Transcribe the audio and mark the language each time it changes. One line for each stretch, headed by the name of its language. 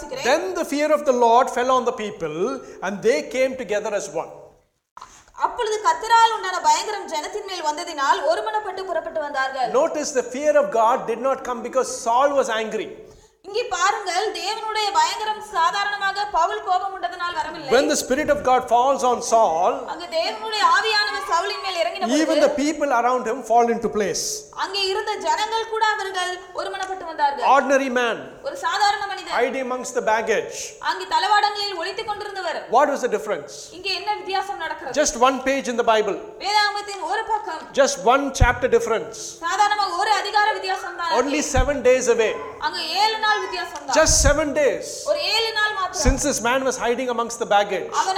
English: Then the fear of the Lord fell on the people and they came together as one.
Tamil: அப்பொழுது கர்த்தரால் உண்டான பயங்கரம் ஜனத்தின் மேல் வந்ததினால் ஒருமனப்பட்டு புறப்பட்டு வந்தார்கள்.
English: Notice the fear of God did not come because Saul was angry.
Tamil: இங்கே பாருங்கள் தேவனுடைய பயங்கரம் சாதாரணமாக பவுல் கோபம் உண்டதனால் வரவில்லை.
English: When the spirit of God falls on Saul,
Tamil: அங்கே தேவனுடைய ஆவியானவர் சவுலின் மேல் இறங்கின போது,
English: even the people around him fall into place.
Tamil: அங்கே இருந்த ஜனங்கள் கூட அவர்கள் ஒருமனப்பட்டு வந்தார்கள்.
English: Ordinary man,
Tamil: ஒரு சாதாரண மனிதன்,
English: hiding amongst the baggage,
Tamil: அங்கே தலவாடங்களில் ஒளித்துக் கொண்டிருந்தவர்.
English: What was the difference?
Tamil: இங்கே என்ன வித்தியாசம் நடக்கிறது?
English: Just one page in the Bible.
Tamil: வேதாகமத்தின் ஒரு பக்கம்.
English: Just one chapter difference.
Tamil: சாதாரணமாக ஒரு அதிகார வித்தியாசம் தான்.
English: Only 7 days away.
Tamil: அங்கே 7
English: Just 7 days since this man was hiding amongst the baggage.